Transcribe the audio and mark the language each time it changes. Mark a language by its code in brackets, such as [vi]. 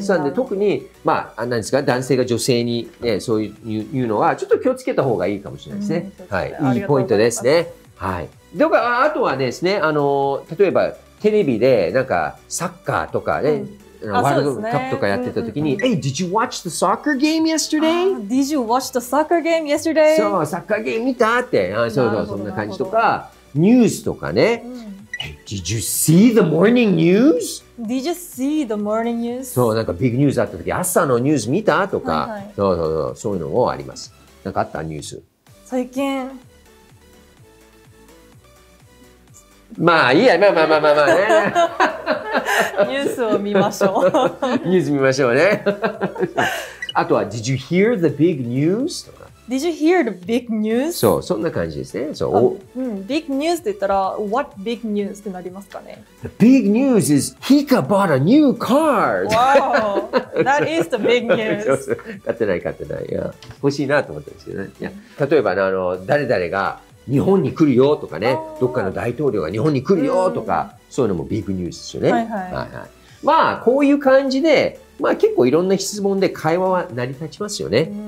[ja] そうなんで、特に、まあ、なんですか、男性が女性に、ね、そういう、言うのは、ちょっと気をつけた方がいいかもしれないですね。はい。いいポイントですね。はい。で、あとはですね、例えば、テレビで、なんか、サッカーとかね、うん、ワールドカップとかやってた時に、うんうんうん、 [en] Hey, did you watch the soccer game yesterday? Did you watch the soccer game yesterday? [ja] そう、サッカーゲーム見たって、あ、そうそう、そんな感じとか、ニュースとかね、うん、 [en] Did you see the morning news? Did you see the morning news? [ja] そう、なんかビッグニュースあった時、朝のニュース見たとか、はいはい、そうそうそう、そういうのもあります。なんかあったニュース。最近。まあいいや、まあまあまあまあまあね。ニュースを見ましょう。ニュース見ましょうね。あとは、 [en] Did you hear the big news? [ja] とか。 [en] Did you hear the big news? [ja] そう、そんな感じですね。そう。うん、 [en] big news [ja] って言ったら、 [en] what big news [ja] ってなりますかね。 [en] The big news is Hika bought a new car. Wow, that is the big news. [ja] 買ってない買ってない。いや、欲しいなと思ったんですけどね。いや、例えばね、あの、誰々が日本に来るよとかね、どっかの大統領が日本に来るよとか、うん、そういうのもビッグニュースですよね。はいはい。はいはい、まあ、こういう感じで、まあ結構いろんな質問で会話は成り立ちますよね。